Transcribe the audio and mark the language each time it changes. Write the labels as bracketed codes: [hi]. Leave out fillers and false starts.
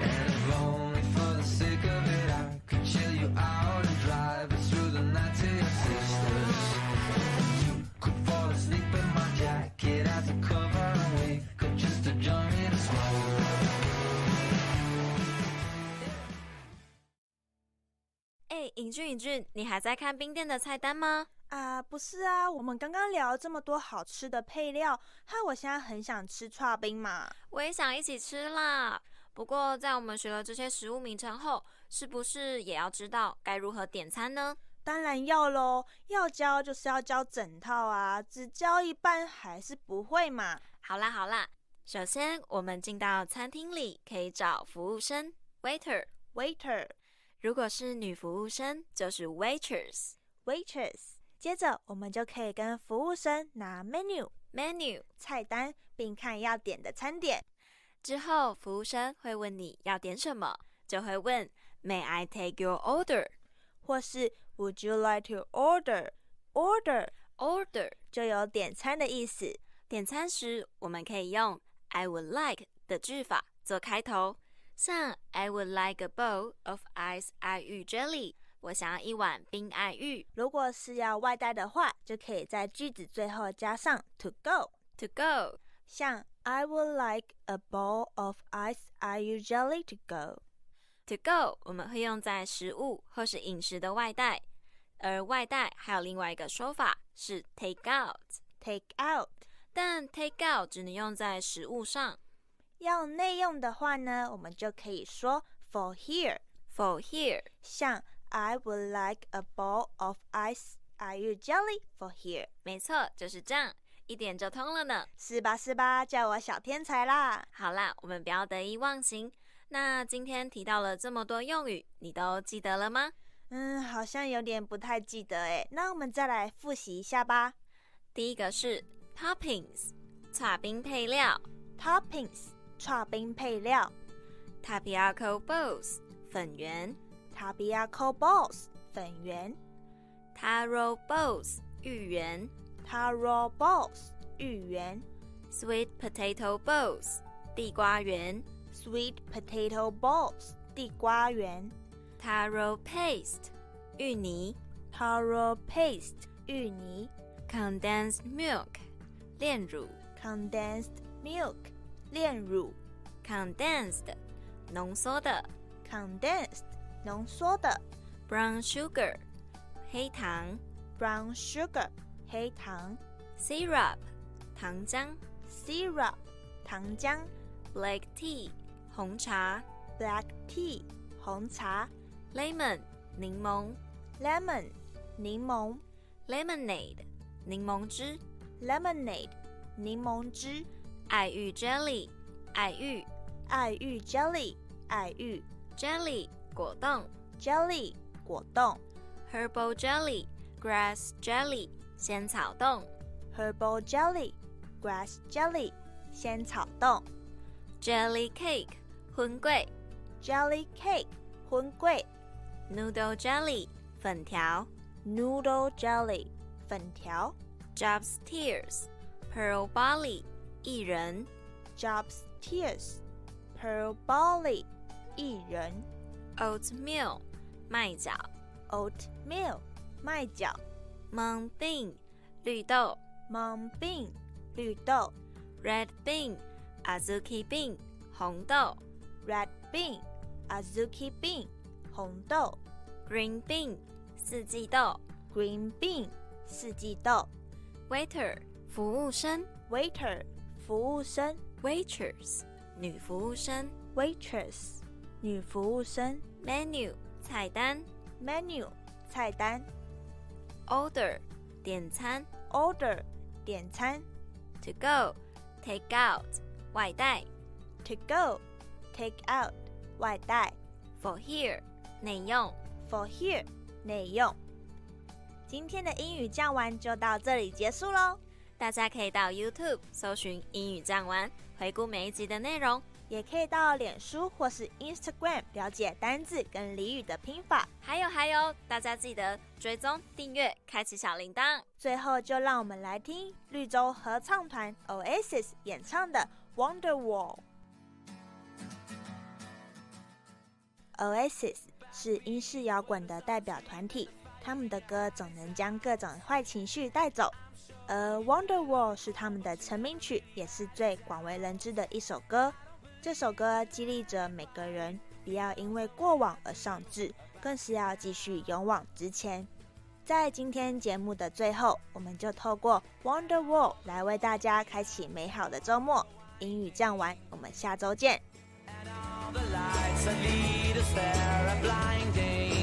[en] And if only for the sake of it, I could chill you out and drive us through the night to your sister's. And you could fall asleep in my jacket as a cover and wake up just to join me to smoke. [zh] 尹俊，尹俊，你还在看冰店的菜单吗？啊、不是啊，我们刚刚聊了这么多好吃的配料，害我现在很想吃刨冰嘛。我也想一起吃啦。不过在我们学了这些食物名称后，是不是也要知道该如何点餐呢？当然要咯，要教就是要教整套啊，只教一半还是不会嘛。好啦好啦，首先我们进到餐厅里可以找服务生 Waiter。 [en] Waiter [zh] 如果是女服务生就是 waitress。 waitress 接着我们就可以跟服务生拿 menu， [en] menu [zh] 菜单，并看要点的餐点。之后服务生会问你要点什么，就会问 [en] may I take your order， [zh] 或是 [en] would you like to order。 order order [zh] 就有点餐的意思。点餐时我们可以用 [en] I would like [zh] 的句法做开头，像 [en] I would like a bowl of ice 爱玉 jelly， [zh] 我想要一碗冰爱玉。如果是要外带的话，就可以在句子最后加上 [en] to go。 to go [zh] 像 [en] I would like a bowl of ice 爱玉 jelly to go。 to go [zh] 我们会用在食物或是饮食的外带，而外带还有另外一个说法是 [en] take out。 take out [zh] 但 [en] take out [zh] 只能用在食物上，要内用的话呢，我们就可以说 [en] for here。 for here [zh] 像 [en] I would like a bowl of ice 爱玉 jelly for here。 [zh] 没错，就是这样，一点就通了呢。是吧是吧，叫我小天才啦。好啦，我们不要得意忘形。那今天提到了这么多用语，你都记得了吗？嗯，好像有点不太记得耶。那我们再来复习一下吧。第一个是 toppings， 刨冰配料。 toppings， 刨冰配料。 [en] tapioca balls， 粉圆。 tapioca balls， 粉圆。 taro balls， 芋圆。 taro balls， 芋圆。 sweet potato balls， 地瓜圆。 sweet potato balls， 地瓜圆。 taro paste， 芋泥。 taro paste， 芋泥。 Condensed milk， 炼乳。 Condensed milk， 炼乳。 [zh] Condensed， 浓缩的。 Condensed， 浓缩的。 [en] Brown sugar， 黑糖。 Brown sugar， 黑糖。 [zh] Syrup， 糖浆。 Syrup， 糖浆。 [en] Black tea， 红茶。 Black tea， 红茶。 [zh] Lemon， 柠檬。 Lemon， 柠檬。 Lemonade，柠檬汁。 Lemonade， 柠檬汁。爱玉 jelly， 爱玉。爱玉 jelly， 爱玉。 Jelly， 果冻。 Jelly， 果冻。 [en] Herbal jelly， grass jelly， 仙草冻。 Herbal jelly， grass jelly， 仙草冻。 Jelly cake， 荤桂。 Jelly cake， 荤桂。 Noodle jelly， 粉条。 Noodle jelly，粉条。 Job's tears， pearl barley， 薏仁。 Job's tears， pearl barley， 薏仁。 [zh] Oatmeal， 麦角。 Oatmeal， 麦角。 [en] Mung bean， 绿豆。 Mung bean， 绿豆。 Red bean， azuki bean， 红豆。 Red bean， azuki bean， 红豆。 Green bean， 四季豆。 Green bean，四季豆。 [zh] Waiter， 服务生。 Waiter， 服务生。 Waitress， 女服务生。 Waitress， 女服务生。 Menu， 菜单。 Menu， 菜单。 Order， 点餐。 Order， 点餐。 [en] To go， take out， 外带。 To go， take out， 外带。 For here， 内用。 For here， 内用。 [zh] 今天的英语醬玩就到这里结束咯。大家可以到 YouTube 搜寻英语醬玩，回顾每一集的内容，也可以到脸书或是 Instagram 了解单字跟俚语的拼法。还有还有，大家记得追踪订阅开启小铃铛。最后就让我们来听绿洲合唱团 Oasis 演唱的 Wonderwall。 Oasis 是英式摇滚的代表团体，他们的歌总能将各种坏情绪带走，而 Wonderwall 是他们的成名曲，也是最广为人知的一首歌。这首歌激励着每个人，不要因为过往而丧志，更是要继续勇往直前。在今天节目的最后，我们就透过 Wonderwall 来为大家开启美好的周末。英语醬玩，我们下周见。 [en] And all the lights that lead us there are blinding